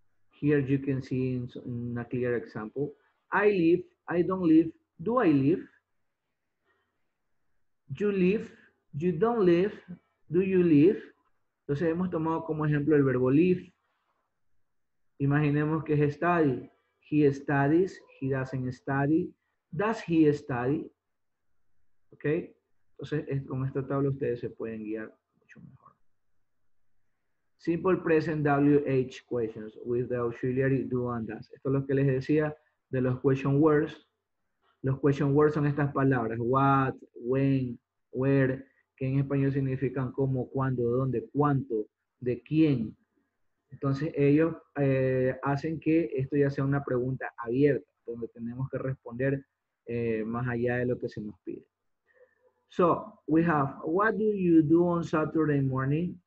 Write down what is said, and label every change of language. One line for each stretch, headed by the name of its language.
English: Here you can see in a clear example. I live, I don't live, do I live? You live, you don't live, do you live?
Spanish: Entonces hemos tomado como ejemplo el verbo live. Imaginemos que es
English: study. He studies, he doesn't study. Does he study? ¿Ok?
Spanish: Entonces con esta tabla ustedes se pueden guiar mucho mejor.
English: Simple present WH questions with the auxiliary do and does.
Spanish: Esto es lo que les decía de los question words. Los question words son estas palabras. What, when, where, que en español significan cómo, cuándo, dónde, cuánto, de quién. Entonces ellos hacen que esto ya sea una pregunta abierta, donde tenemos que responder más allá de lo que se nos pide.
English: So, we have, what do you do on Saturday morning?